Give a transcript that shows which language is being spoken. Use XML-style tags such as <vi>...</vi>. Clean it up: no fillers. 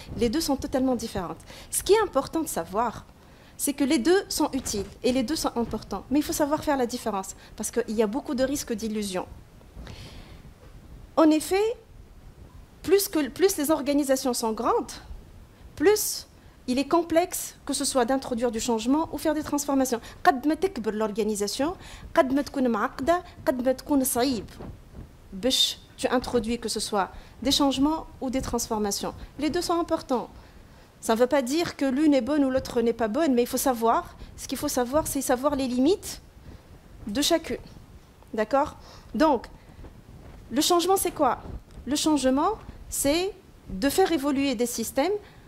<fr>Les deux sont totalement différentes. Ce qui est important de savoir, c'est que les deux sont utiles et les deux sont importants. Mais il faut savoir faire la différence parce qu'il y a beaucoup de risques d'illusion. En effet, plus les organisations sont grandes, plus il est complexe que ce soit d'introduire du changement ou faire des transformations.</fr> <ar>قد ما تكبر l'organisation, قد ما تكون معقدة, قد ما تكون صعيب. باش</ar> <fr>tu introduis que ce soit des changements ou des transformations. Les deux sont importants. Ça ne veut pas dire que l'une est bonne ou l'autre n'est pas bonne, mais il faut savoir. Ce qu'il faut savoir, c'est savoir les limites de chacune. D'accord? Donc, le changement, c'est quoi? Le changement, c'est de faire évoluer des systèmes</fr>